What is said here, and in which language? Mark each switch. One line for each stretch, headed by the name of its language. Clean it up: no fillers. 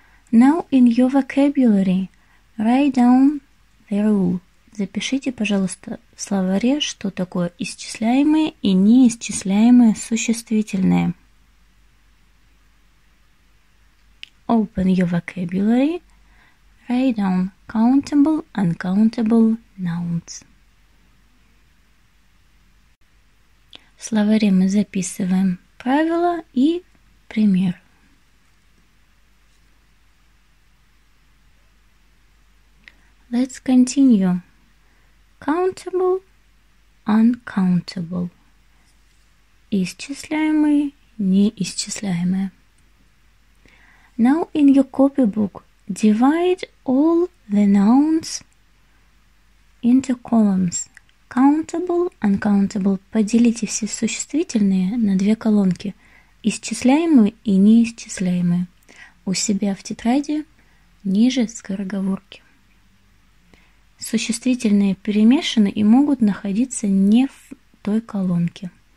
English: Now in your vocabulary, write down the rule.
Russian: Запишите, пожалуйста, в словаре, что такое исчисляемые и неисчисляемые существительные.
English: Open your vocabulary. Write down countable, uncountable nouns.
Russian: В словаре мы записываем правила и пример.
English: Let's continue. Countable, uncountable.
Russian: Исчисляемые, неисчисляемые.
English: Now in your copybook, divide all the nouns into columns. Countable, uncountable.
Russian: Поделите все существительные на две колонки. Исчисляемые и неисчисляемые. У себя в тетради ниже скороговорки. Существительные перемешаны и могут находиться не в той колонке.